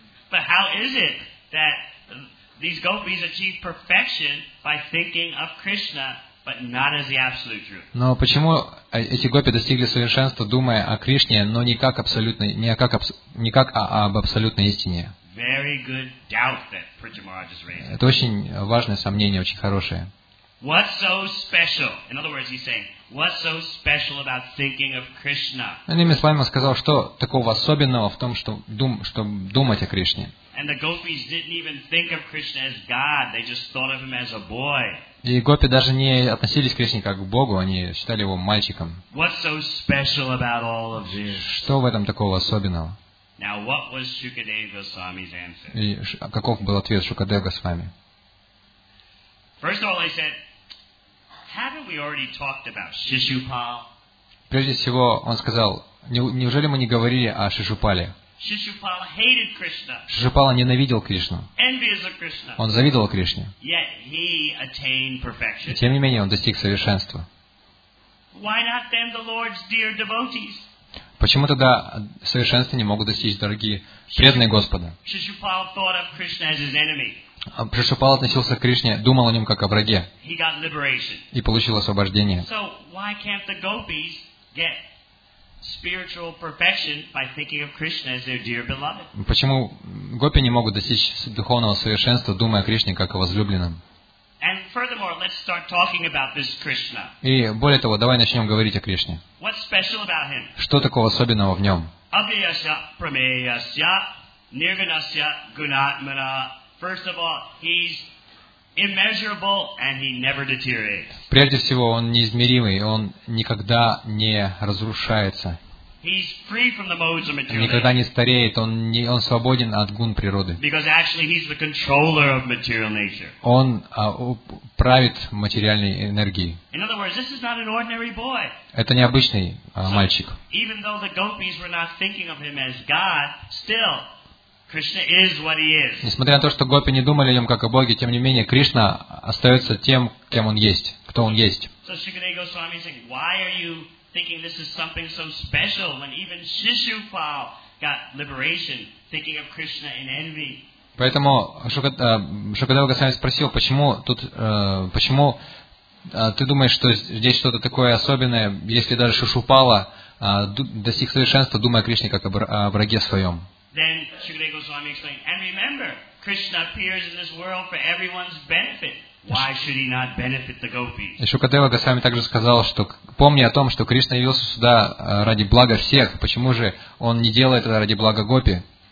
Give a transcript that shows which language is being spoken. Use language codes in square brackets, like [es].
[en] But how is it that these gopis achieve perfection by thinking of Krishna, but not as the absolute truth? [ru] Но почему эти гопи достигли совершенства, думая о Кришне, но не как абсолютной, не как об абсолютной истине? [en] Very good doubt that Prichit Maharaj is raising. [ru] Это очень важное сомнение, очень хорошее. [en] What's so special? In other words, he's saying, what's so special about thinking of Krishna? [ru] Иными словами, он сказал, что такого особенного в том, чтобы думать о Кришне. [en] And the gopis didn't even think of Krishna as God. They just thought of him as a boy. [ru] И гопи даже не относились к Кришне как к Богу. Они считали его мальчиком. [en] What's so special about all of this? [ru] Что в этом такого особенного? [en] Now, what was Shukadeva Goswami's answer? [ru] И каков был ответ Шукадева Госвами? [en] First of all, I said, haven't we already talked about Shishupal? [ru] Прежде всего, он сказал, неужели мы не говорили о Шишупале? [en] Шишупала hated Krishna. [ru] Шишупала ненавидел Кришну. [en] Envious of Krishna. [ru] Он завидовал Кришне. [en] Yet he attained perfection. [ru] И тем не менее он достиг совершенства. [en] Why not then the Lord's dear devotees? [ru] Почему тогда совершенства не могут достичь дорогие преданные Господа? [en] Шишупала thought of Krishna as his enemy. [ru] Шишупала относился к Кришне, думал о нем как о враге. [en] He got liberation. [ru] И получил освобождение. [en] So why can't the gopis get spiritual perfection by thinking of Krishna as their dear beloved? [ru] Почему гопи не могут достичь духовного совершенства, думая о Кришне как о возлюбленном? [en] And furthermore, let's start talking about this Krishna. [ru] И более того, давай начнем говорить о Кришне. [en] What's special about him? [ru] Что такого особенного в нем? [sa] Avyasya, prameyasya, nirgunasya, gunatmana. [en] First of all, he's immeasurable and he never deteriorates. [ru] Прежде всего, он неизмеримый, он никогда не разрушается. [en] He's free from the modes of materiality. [ru] Никогда не стареет, он свободен от гун природы. [en] Because actually he's the controller of material nature. [ru] Он управляет материальной энергией. [en] In other words, this is not an ordinary boy. [ru] Это не обычный мальчик. [en] Even though the gopis were not thinking of him as God, still Krishna is what he is. [ru] Несмотря на то, что гопи не думали о нем как о Боге, тем не менее Кришна остается тем, кем он есть, кто он есть. [en] So Shukadeva Goswami is saying, why are you thinking this is something so special when even Shishupal got liberation thinking of Krishna in envy? [ru] Поэтому Шукадева Госвами спросил, почему ты думаешь, что здесь что-то такое особенное, если даже Шишупала достиг совершенства, думая о Кришне как о враге своем? [en] Then Shukadeva Goswami explained, and remember, Krishna appears in this world for everyone's benefit. Why should he not benefit the gopis? [ru] Шукадева Госвами также сказал, что помни о том, что Кришна явился сюда ради блага всех. Почему же он не делает это ради блага гопи?